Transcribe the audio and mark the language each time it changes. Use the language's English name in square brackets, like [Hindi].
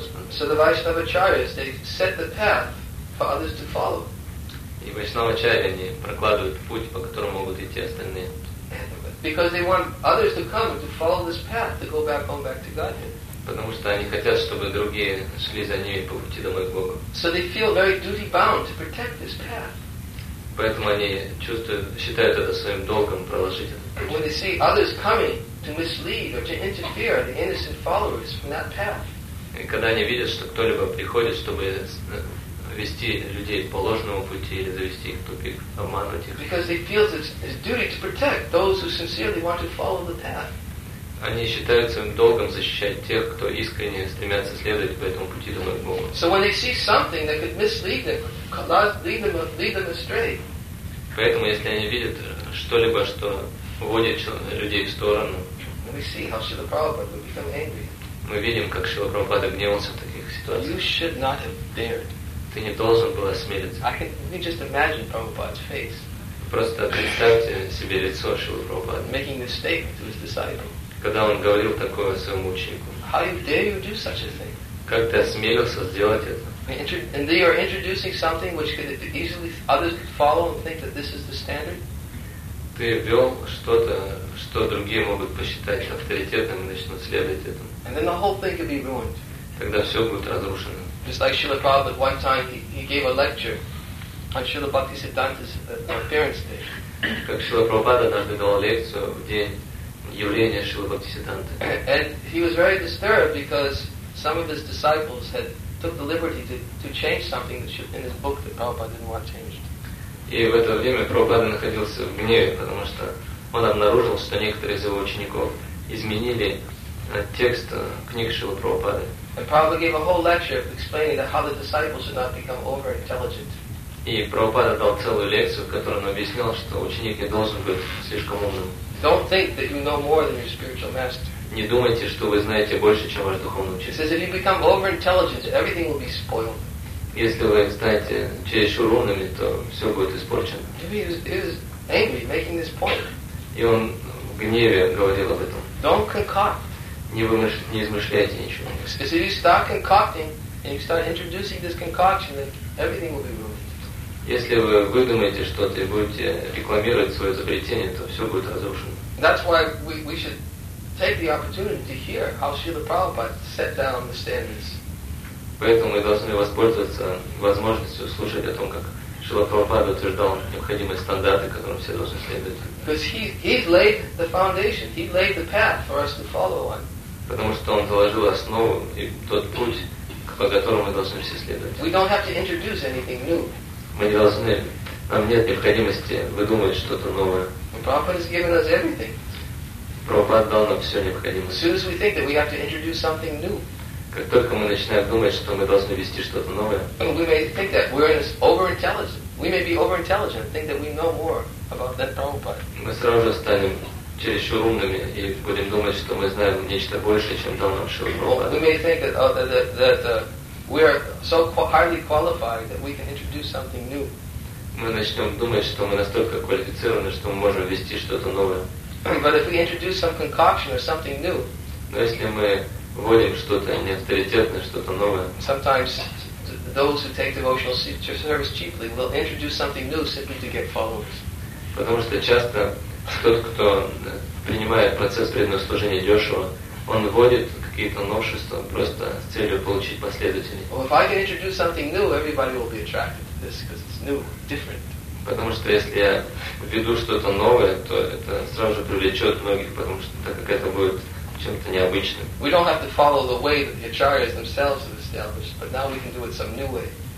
[English] So the Vaishnava Acharyas, they set the path for others to follow. [Russian] И Вайшнава Ачарьи, они прокладывают путь, по которому могут идти остальные. [English] Because they want others to come to follow this path, to go back to Godhead. [Russian] Потому что они хотят, чтобы другие шли за ними по пути домой к Богу. [English] So they feel very duty bound to protect this path. [Russian] Поэтому они считают это своим долгом проложить этот путь. [English] When they see others coming to mislead or to interfere the innocent followers from that path. [Russian] И когда они видят, что кто-либо приходит, чтобы вести людей по ложному пути или завести их в тупик, обманывать их. [English] Because they feel it's duty to protect those who sincerely want to follow the path. [Russian] они считают своим долгом защищать тех, кто искренне стремятся следовать по этому пути домой к Богу. [English] So when they see something that could mislead them, lead them astray. [Russian] Поэтому, если они видят что-либо, что вводит людей в сторону, [English] we see how Srila Prabhupada would become angry. [Russian] Мы видим, как Шрила Прабхупада гневался в таких ситуациях. [English] You should not have dared. [Russian] Ты не должен был осмелиться. [English] I can, you just imagine Prabhupada's face. [Russian] Просто представьте себе лицо Шрила Прабхупады. [English] Making this statement to his disciple. [Russian] Когда он говорил такое своему ученику. [English] How dare you do such a thing? [Russian] Как ты осмелился сделать это? [English] And they are introducing something which could easily others could follow and think that this is the standard. [Russian] Ты ввел что-то, что другие могут посчитать авторитетным и начнут следовать этому. [English] And then the whole thing could be ruined. [Russian] Тогда все будет разрушено. [English] Just like Srila Prabhupada, one time he gave a lecture on Srila Bhaktisiddhanta's appearance day. [Russian] Как Шрила Прабхупада однажды дал лекцию в день явления Шрилы Бхактисиддханты. [English] And he was very disturbed because some of his disciples had took the liberty to change something that in his book that Prabhupada didn't want changed. [Russian] И в это время Прабхупада находился в гневе, потому что он обнаружил, что некоторые из его учеников изменили текст книг Шрилы Прабхупады. [English] And Prabhupada gave a whole lecture explaining that how the disciples should not become over intelligent. [Russian] И Прабхупада дал целую лекцию, в которой он объяснял, что ученик не должен быть слишком умным. [English] Don't think that you know more than your spiritual master. [Russian] Не думайте, что вы знаете больше, чем ваш духовный учитель. [English] He says, if you become over intelligent, everything will be spoiled. [Russian] Если вы станете чересчур умными, то все будет испорчено. [English] He was angry, making this point. [Russian] И он в гневе говорил об этом. [English] Don't concoct. [Russian] Не измышляйте ничего. [English] Because if you start concocting and you start introducing this concoction, then everything will be ruined. [Russian] Если вы выдумаете что-то и будете рекламировать свое изобретение, то все будет разрушено. [English] That's why we should take the opportunity to hear how Srila Prabhupada set down the standards. [Russian] Поэтому мы должны воспользоваться возможностью слушать о том, как Шрила Прабхупада утверждал необходимые стандарты, которым все должны следовать. [English] Because he laid the foundation, he laid the path for us to follow on. [Russian] Потому что он заложил основу и тот путь, по которому мы должны все следовать. [English] We don't have to introduce anything new. [Russian] Мы не должны, нам нет необходимости выдумывать что-то новое. [English] Prabhupada has given us everything. [Russian] Прабхупада дал нам все необходимое. [English] As soon as we think that we have to introduce something new. [Russian] Как только мы начинаем думать, что мы должны вести что-то новое, [English] we may think that we're over-intelligent. We may be over-intelligent, think that we know more about that Prabhupada. [Russian] Мы сразу же станем чересчур умными и будем думать, что мы знаем нечто большее, чем дал нам Шрила Прабхупада. [English] We may think that we are so highly qualified that we can introduce something new. [Russian] Мы начнем думать, что мы настолько квалифицированы, что мы можем вести что-то новое. [English] But if we introduce some concoction or something new, [Russian] но если мы вводим что-то неавторитетное, что-то новое, [English] sometimes those who take devotional service cheaply will introduce something new simply to get followers. [Russian] Потому что часто тот, кто принимает процесс преданного служения дешево, он вводит какие-то новшества просто с целью получить последователей. [English] Well, if I can introduce something new, everybody will be attracted to this because it's new, different. [Russian] Потому что если я введу что-то новое, то это сразу же привлечет многих, потому что так как это будет чем-то необычным. [English] We don't have to follow the way that the acharyas themselves have established, but now we can do it some new way.